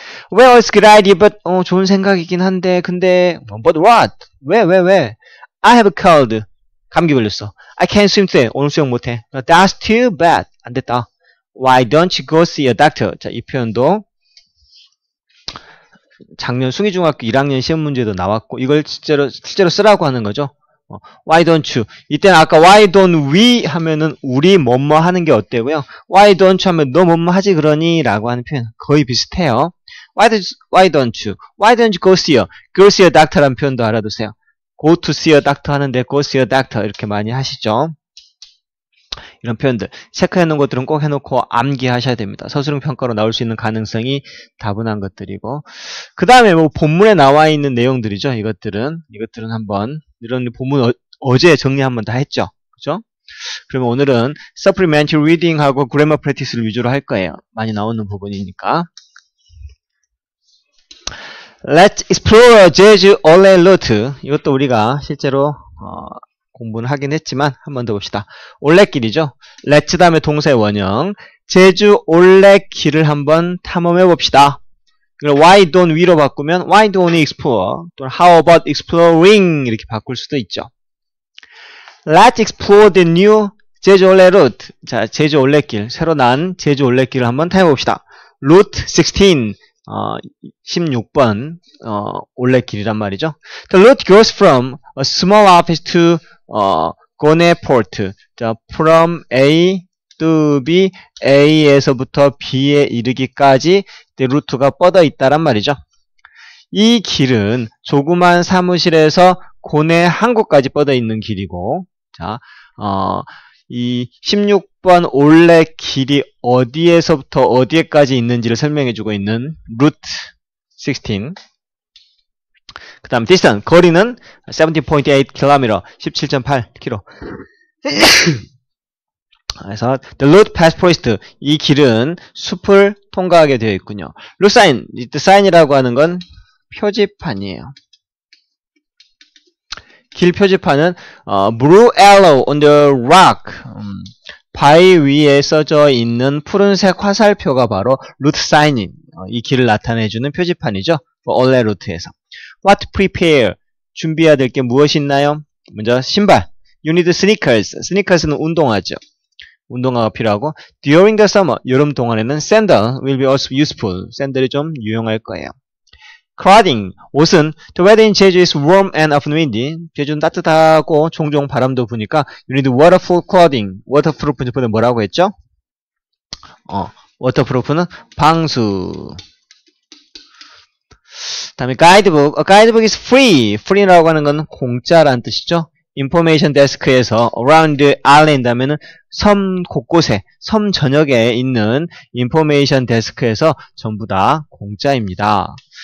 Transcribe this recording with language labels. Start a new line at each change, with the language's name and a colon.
English: Well, it's a good idea, but
Korean: 좋은 생각이긴 한데 근데
English: but what?
Korean: 왜?
English: I have a cold.
Korean: 감기 걸렸어.
English: I can't swim today.
Korean: 오늘 수영 못해.
English: That's too bad.
Korean: 안 됐다.
English: Why don't you go see a doctor?
Korean: 자, 이 표현도 작년 숭의중학교 1학년 시험 문제도 나왔고 이걸 실제로 쓰라고 하는 거죠.
English: Why don't you?
Korean: 이때는 아까 why don't we 하면은 우리 뭐뭐 하는 게 어때고요.
English: Why don't you
Korean: 하면 너 뭐뭐 하지 그러니? 라고 하는 표현 거의 비슷해요.
English: Why don't you go see a go see a doctor라는
Korean: 표현도 알아두세요.
English: Go to see a doctor
Korean: 하는데
English: go see a doctor
Korean: 이렇게 많이 하시죠. 이런 표현들 체크해놓은 것들은 꼭 해놓고 암기하셔야 됩니다. 서술형 평가로 나올 수 있는 가능성이 다분한 것들이고 그 다음에 뭐 본문에 나와 있는 내용들이죠. 이것들은 한번 이런 본문 어제 정리 한번 다 했죠. 그죠? 그러면 오늘은 supplementary reading하고 grammar practice를 위주로 할 거예요. 많이 나오는 부분이니까.
English: Let's explore Jeju Olay Route.
Korean: 이것도 우리가 실제로 공부는 하긴 했지만 한번 더 봅시다. 올레길이죠. Let's 다음에 동사의 원형. 제주 올레길을 한번 탐험해 봅시다.
English: Why don't we로
Korean: 바꾸면
English: Why don't we explore?
Korean: 또는
English: How about exploring?
Korean: 이렇게 바꿀 수도 있죠.
English: Let's explore the new 제주 올레 루트.
Korean: 자, 제주 올레길. 새로 난 제주 올레길을 한번 탐험해 봅시다. Route 16. 16번 올레길이란 말이죠.
English: The route goes from a small office to Gonaport.
Korean: 자, from A to B, A에서부터 B에 이르기까지 루트가 뻗어 있다란 말이죠. 이 길은 조그만 사무실에서 고뇌 항구까지 뻗어 있는 길이고, 자, 이 16번 올레길이 어디에서부터 어디까지 있는지를 설명해주고 있는 루트 16. 그 다음 distance, 거리는 17.8km, 17.8km. 그래서
English: the route passed forest
Korean: 이 길은 숲을 통과하게 되어 있군요. Road sign, the sign이라고 하는 건 표지판이에요. 길 표지판은
English: blue arrow on the rock
Korean: 바위 위에 써져 있는 푸른색 화살표가 바로 route sign인 이 길을 나타내주는 표지판이죠. 원래 루트에서 what prepare 준비해야 될 게 무엇이 있나요? 먼저 신발
English: you need sneakers.
Korean: sneakers는 운동화죠. 운동화가 필요하고
English: during the summer
Korean: 여름 동안에는
English: sandal will be also useful.
Korean: 샌들이 좀 유용할 거예요.
English: clothing
Korean: 옷은
English: the weather in Jeju is warm and often windy.
Korean: 제주는 따뜻하고 종종 바람도 부니까
English: you need waterproof clothing.
Korean: waterproof 이번에 뭐라고 했죠? waterproof는 방수. 다음에 guidebook.
English: A guidebook is free.
Korean: free라고 하는 건 공짜라는 뜻이죠. information desk에서
English: around the island
Korean: 하면은 섬 곳곳에, 섬 전역에 있는 information desk에서 전부 다 공짜입니다.